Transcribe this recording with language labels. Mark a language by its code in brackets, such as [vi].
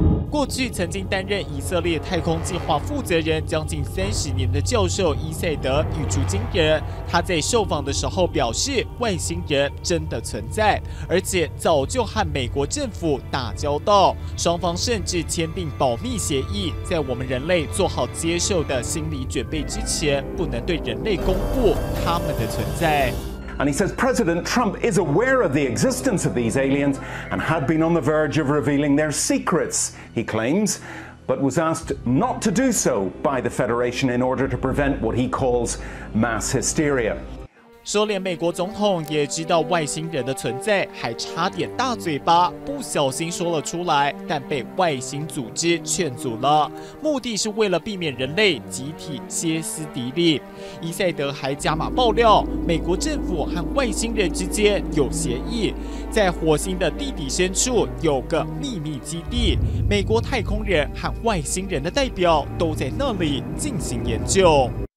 [zh] 过去曾经担任以色列太空计划负责人将近30年的教授伊塞德语出惊人，他在受访的时候表示，外星人真的存在，而且早就和美国政府打交道，双方甚至签订保密协议，在我们人类做好接受的心理准备之前，不能对人类公布他们的存在。 [en] And he says President Trump is aware of the existence of these aliens and had been on the verge of revealing their secrets, he claims, but was asked not to do so by the Federation in order to prevent what he calls mass hysteria. [zh] 说连美国总统也知道外星人的存在，还差点大嘴巴不小心说了出来，但被外星组织劝阻了，目的是为了避免人类集体歇斯底里。伊塞德还加码爆料，美国政府和外星人之间有协议，在火星的地底深处有个秘密基地，美国太空人和外星人的代表都在那里进行研究。